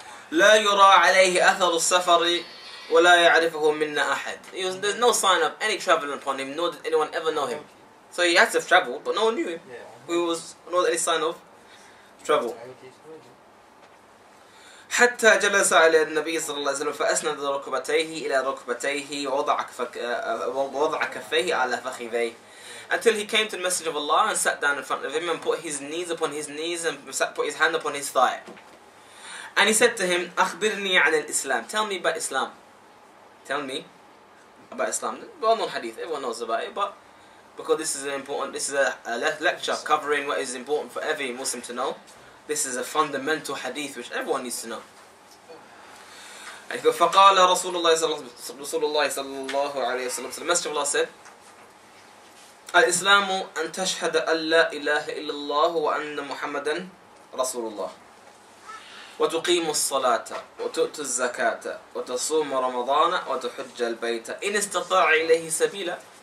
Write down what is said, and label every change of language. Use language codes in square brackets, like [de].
[ar] لا يرى عليه أثر السفر ولا يعرفه منا أحد. [en] There's no sign of any travelling upon him, nor did anyone ever know him. So he had to have travelled, but no one knew him. Yeah. He was not any sign of travel. [ar] حتى جلس على النبي صلى الله عليه وسلم فأسند ركبتيه إلى ركبتيه وضع كفيه على فخذيه. [en] Until he came to the Messenger of Allah and sat down in front of him and put his knees upon his knees and put his hand upon his thigh. And he said to him, [ar] أخبرني عن الإسلام. [en] Tell me about Islam. Tell me about Islam. Well known hadith, everyone knows about it, but because this is an important, this is a lecture covering what is important for every Muslim to know. This is a fundamental hadith which everyone needs to know. And he goes, [ar] فَقَالَ رَسُولُ اللَّهِ صَلَّى اللَّهُ عَلَيْهِ وَسَلَّمُ. [en] So the Messenger of Allah said, [ar] الْإِسْلَامُ أَن تَشْهَدَ أَن لَا إِلَهَ إِلَّا اللَّهُ وَأَنَّ مُحَمَّدًا رَسُولُ اللَّهِ وَتُقِيمُ الصَّلَاةَ وَتُؤْتُ الزَّكَاةَ وَتَصُومُ رَمَضَانَ وَتُحُجَّ الْبَيْتَ إِنْ اسْتَطَاعَ إِلَيْهِ سَبِيلًا.